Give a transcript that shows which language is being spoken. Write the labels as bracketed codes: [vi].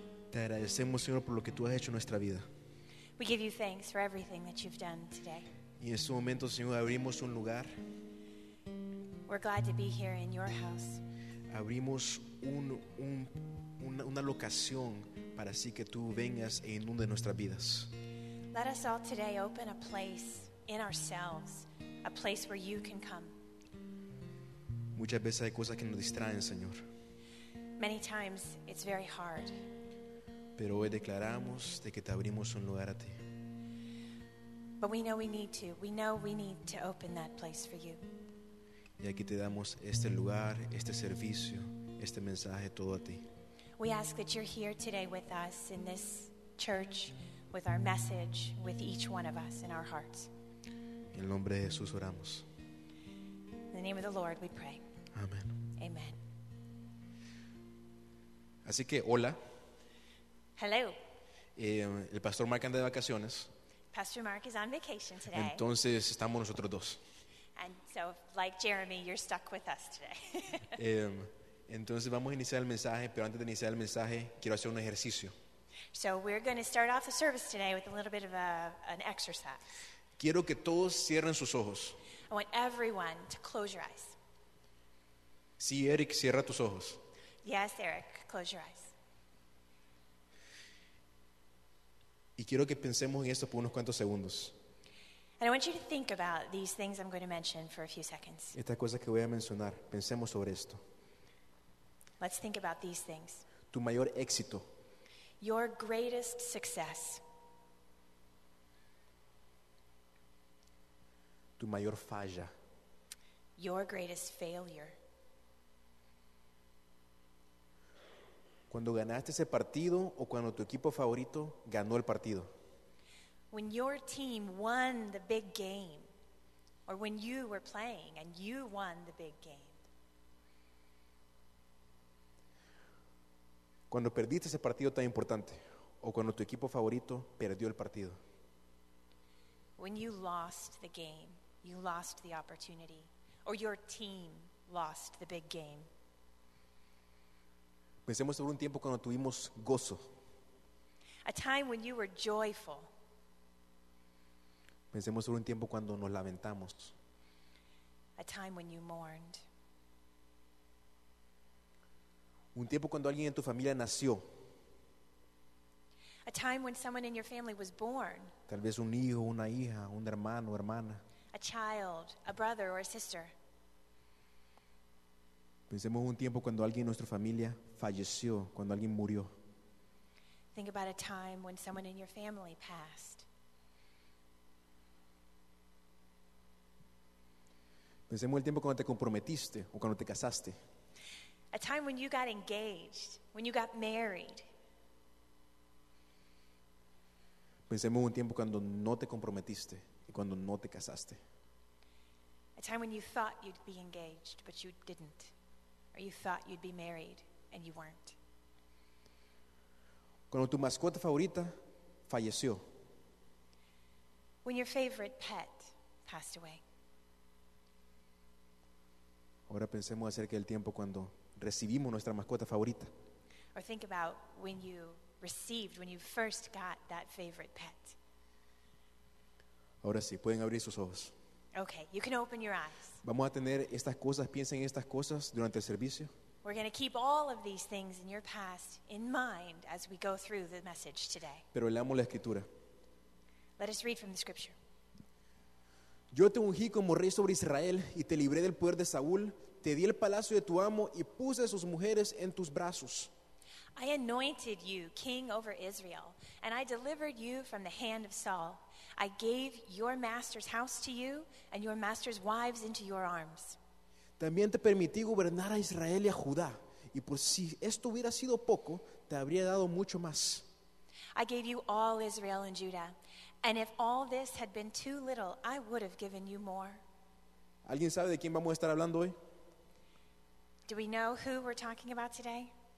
[es] te agradecemos, Señor, por lo que tú has hecho en nuestra vida. [en] We give you thanks for everything that you've done today. [es] Y en este momento, Señor, abrimos un lugar. [en] We're glad to be here in your house. [es] Abrimos una locación para así que tú vengas e inundes nuestras vidas. [en] Let us all today open a place in ourselves, a place where you can come. [es] Muchas veces hay cosas que nos distraen, Señor. [en] Many times it's very hard. [es] Pero hoy declaramos de que te abrimos un lugar a ti. [en] But we know we need to. We know we need to open that place for you. [es] Y aquí te damos este lugar, este servicio, este mensaje todo a ti. [en] We ask that you're here today with us in this church, with our message, with each one of us in our hearts. [es] En el nombre de Jesús oramos. [en] In the name of the Lord we pray. Amen. Amen. [es] Así que hola. [en] Hello. [es] El pastor Mark anda de vacaciones. [en] Pastor Mark is on vacation today. [es] Entonces estamos nosotros dos. [en] And so, like Jeremy, you're stuck with us today. [es] Entonces vamos a iniciar el mensaje, pero antes de iniciar el mensaje, quiero hacer un ejercicio. [en] So we're going to start off the service today with a little bit of an exercise. [es] Quiero que todos cierren sus ojos. [en] I want everyone to close your eyes. [es] Sí, Eric, cierra tus ojos. [en] Yes, Eric, close your eyes. [es] Y quiero que pensemos en esto por unos cuantos segundos. [en] And I want you to think about these things I'm going to mention for a few seconds. [es] Estas cosas que voy a mencionar, pensemos sobre esto. [en] Let's think about these things. [es] Tu mayor éxito. [en] Your greatest success. [es] Tu mayor falla. [en] Your greatest failure. [es] Cuando ganaste ese partido o cuando tu equipo favorito ganó el partido. [en] When your team won the big game, or when you were playing and you won the big game. [es] Cuando perdiste ese partido tan importante, o cuando tu equipo favorito perdió el partido. [en] When you lost the game, you lost the opportunity, or your team lost the big game. [es] Pensemos sobre un tiempo cuando tuvimos gozo. [en] A time when you were joyful. [es] Pensemos sobre un tiempo cuando nos lamentamos. [en] A time when you mourned. [es] Un tiempo cuando alguien en tu familia nació. [en] A time when someone in your family was born. [es] Tal vez un hijo, una hija, un hermano, hermana. [en] A child, a brother or a sister. [es] Pensemos un tiempo cuando alguien en nuestra familia falleció, cuando alguien murió. [en] Think about a time when someone in your family passed. [es] Pensemos el tiempo cuando te comprometiste o cuando te casaste. [en] A time when you got engaged, when you got married. [es] Pensemos un tiempo cuando no te comprometiste y cuando no te casaste. [en] A time when you thought you'd be engaged, but you didn't. Or you thought you'd be married, and you weren't. [es] Cuando tu mascota favorita falleció. [en] When your favorite pet passed away. [es] Ahora pensemos acerca del tiempo cuando recibimos nuestra mascota favorita. [en] Or think about when you received, when you first got that favorite pet. [es] Ahora sí, pueden abrir sus ojos. [en] Okay, you can open your eyes. [es] Vamos a tener estas cosas, piensen en estas cosas durante el servicio. [en] We're going to keep all of these things in your past in mind as we go through the message today. [es] Pero leamos la escritura. [en] Let us read from the scripture. [es] Yo te ungí como rey sobre Israel y te libré del poder de Saúl. Te di el palacio de tu amo y puse a sus mujeres en tus brazos. [en] I anointed you king over Israel and I delivered you from the hand of Saul. I gave your master's house to you and your master's wives into your arms. [es] También te permití gobernar a Israel y a Judá. Y pues si esto hubiera sido poco, te habría dado mucho más. [en] I gave you all Israel and Judah. And if all this had been too little, I would have given you more. [es] ¿Alguien sabe de quién vamos a estar hablando hoy? [en] Do we know who we're talking about today?